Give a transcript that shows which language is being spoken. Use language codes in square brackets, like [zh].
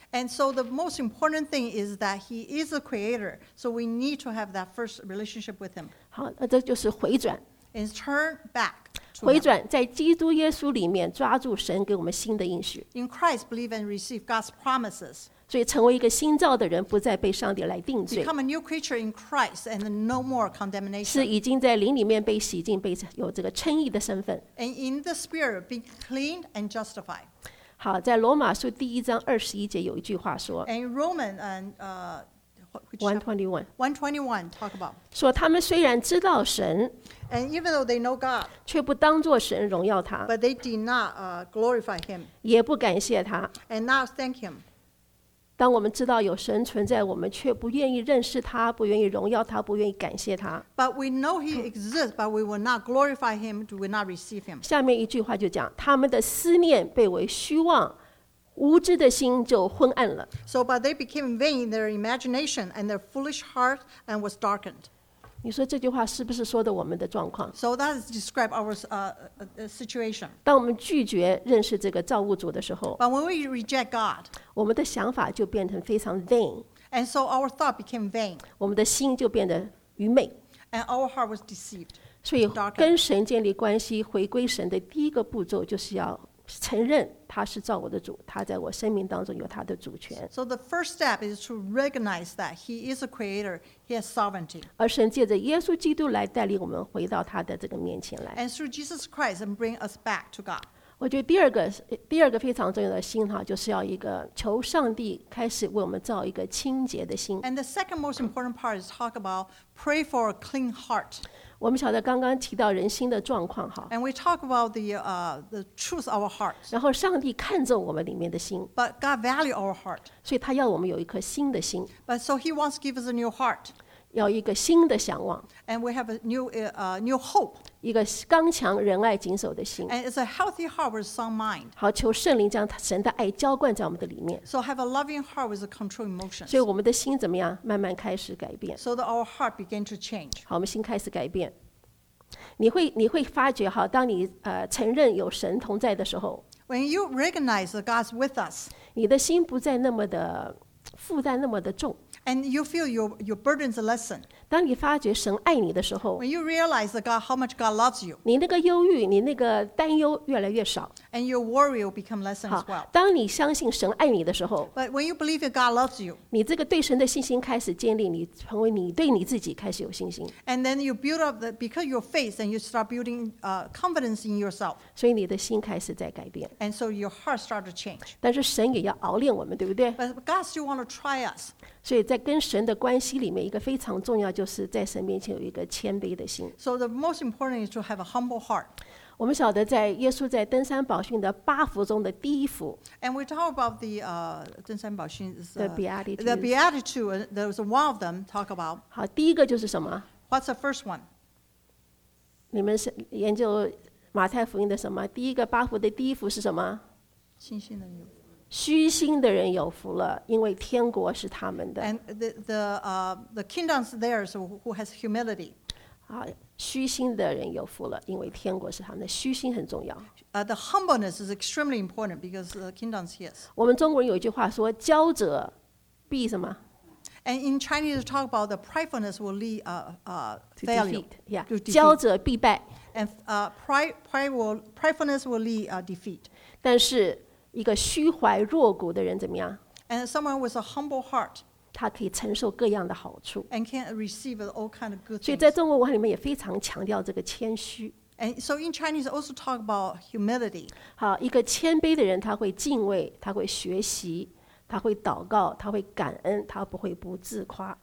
[en] And so the most important thing is that He is the Creator. So we need to have that first relationship with Him. [zh] 好，那这就是回转。 [en] And turn back. [zh] 回转在基督耶稣里面抓住神给我们新的应许。 [en] In Christ, believe and receive God's promises. [zh] 所以成为一个新造的人，不再被上帝来定罪。 [en] Become a new creature in Christ, and no more condemnation. [zh] 是已经在灵里面被洗净，被有这个称义的身份。 [en] And in the Spirit, be cleaned and justified. [zh] 好，在罗马书第一章二十一节有一句话说。 [en] And Roman and One twenty-one. Talk about. [zh] 说他们虽然知道神 [en] ，and even though they know God, [zh] 却不当作神荣耀他 [en] ，but they did not glorify him. [zh] 也不感谢他 [en] ，and not thank him. [zh] 当我们知道有神存在，我们却不愿意认识他，不愿意荣耀他，不愿意感谢他。 [en] But we know he exists, but we will not glorify him. Do we not receive him? [zh] 下面一句话就讲他们的思念被为虚妄。无知的心就昏暗了。 [en] So, but they became vain in their imagination and their foolish heart and was darkened. [zh] 你说这句话是不是说的我们的状况 [en] ？So that describes our situation. [zh] 当我们拒绝认识这个造物主的时候 [en] ，But when we reject God, [zh] 我们的想法就变成非常 vain. [en] And so our thought became vain. [zh] 我们的心就变得愚昧。 [en] And our heart was deceived. [zh] 所以跟神建立关系，回归神的第一个步骤就是要承认他是造我的主，他在我生命当中有他的主权。 [en] So the first step is to recognize that he is a creator, he has sovereignty. [zh] 而神借着耶稣基督来带领我们回到他的这个面前来。 [en] And through Jesus Christ and bring us back to God. [zh] 我觉得第二个非常重要的心哈，就是要一个求上帝开始为我们造一个清洁的心。 [en] And the second most important part is talk about pray for a clean heart. [zh] 我们晓得刚刚提到人心的状况哈 [en] And we talk about the truth of our heart. [zh] 然后上帝看重我们里面的心 [en] But God values our heart. [zh] 所以他要我们有一颗新的心 [en] But so he wants to give us a new heart. [zh] 要一个新的向往 [en] And we have a new hope. [zh] 一个刚强仁爱谨守的心 [en] And it's a healthy heart with a sound mind. [zh] 好求圣灵将神的爱浇灌在我们的里面 [en] So have a loving heart with a controlled emotion. [zh] 所以我们的心怎么样慢慢开始改变 [en] So that our heart began to change. [zh] 好我们心开始改变你会发觉哈，当你承认有神同在的时候 [en] ，When you recognize that God's with us， [zh] 你的心不再那么的负担那么的重 [en] ，And you feel your burdens lessen。 [zh] 当你发觉神爱你的时候 [en] ，When you realize that God how much God loves you， [zh] 你那个忧郁，你那个担忧越来越少 [en] ，And your worry will become lessen as well。 [zh] 当你相信神爱你的时候 [en] ，But when you believe that God loves you， [zh] 你这个对神的信心开始建立，你成为你对你自己开始有信心 [en] ，And then you build up the because your faith and you start building confidence in yourself。 [zh] 所以你的心开始在改变 [en] ，And so your heart started to change。 [zh] 但是神也要熬炼我们，对不对 [en] ？But God still want to try us。 [zh] 所以在跟神的关系里面一个非常重要就是在神面前有一个谦卑的心 [en] So the most important is to have a humble heart [zh] 我们晓得在耶稣在登山宝训的八福中的第一福 [en] And we talk about the 登山宝训 The Beatitudes The Beatitudes There was one of them talk about [zh] 好第一个就是什么 [en] What's the first one? [zh] 你们是研究马太福音的什么第一个八福的第一福是什么信心的有虚心的人有福了，因为天国是他们的。 [en] And the kingdom's theirs who has humility. [zh] 啊，虚心的人有福了，因为天国是他们的。虚心很重要。 [en] The humbleness is extremely important because the kingdom's his. [zh] 我们中国人有一句话说：“骄者必什么 [en] ？”And in Chinese, we talk about the pridefulness will lead failure. Defeat, yeah. [zh] 骄者必败。 [en] And pridefulness will lead defeat. [zh] 但是一个虚怀若谷的人怎么样 [en] ？And someone with a humble heart， [zh] 他可以承受各样的好处 [en] ，and can receive all kind of good things。 [zh] 所以在中国文化里面也非常强调这个谦虚。 [en] And so in Chinese also talk about humility。 [zh] 好，一个谦卑的人，他会敬畏，他会学习，他会祷告，他会感恩，他不会不自夸。